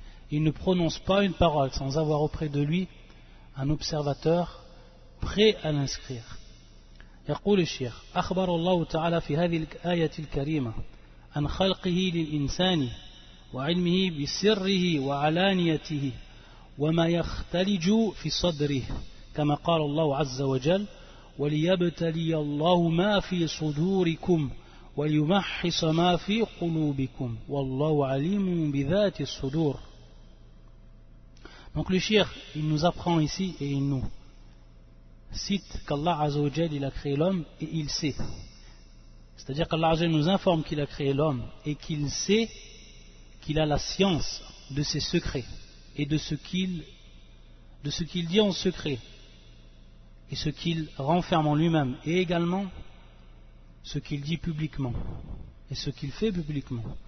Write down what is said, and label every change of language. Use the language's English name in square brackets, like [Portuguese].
[French] Il ne prononce pas une parole sans avoir auprès de lui un observateur prêt à l'inscrire. [Arabic] يقول الشيخ أخبر الله تعالى في هذه الآية الكريمة عن خلقه للإنسان وعلمه بسره وعلانيته وما يختلج في صدره كما قال الله عز وجل وليبتلي الله ما في صدوركم وليمحص ما في قلوبكم والله عليم بذات الصدور. [French] Donc le shir, il nous apprend ici et il nous cite qu'Allah Azzawajal il a créé l'homme et il sait. C'est-à-dire qu'Allah Azzawajal nous informe qu'il a créé l'homme et qu'il sait qu'il a la science de ses secrets et de ce qu'il dit en secret et ce qu'il renferme en lui-même et également ce qu'il dit publiquement et ce qu'il fait publiquement.